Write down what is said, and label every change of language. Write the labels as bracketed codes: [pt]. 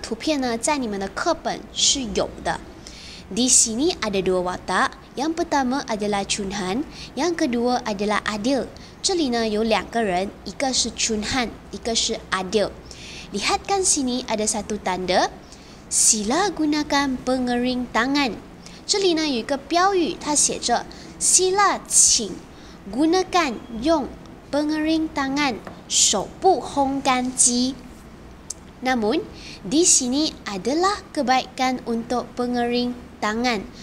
[zh] 那我们这一课我们将会学会怎么样去回答人家的问题。那么我们来看一看上面的图片。那这个图片呢，在你们的课本是有的。 [ms] Di sini ada dua watak. Yang pertama adalah Chun Han, yang kedua adalah Adil. [zh] 这里呢有两个人, 一个是 Chun Han, 一个是 Adil. [ms] Lihatkan sini ada satu tanda. Sila gunakan pengering tangan. [zh] 这里呢有一个标语, 它写着 Sila 请 gunakan 用 pengering tangan 手部烘干机. [ms] Namun, di sini adalah kebaikan untuk pengering tangan.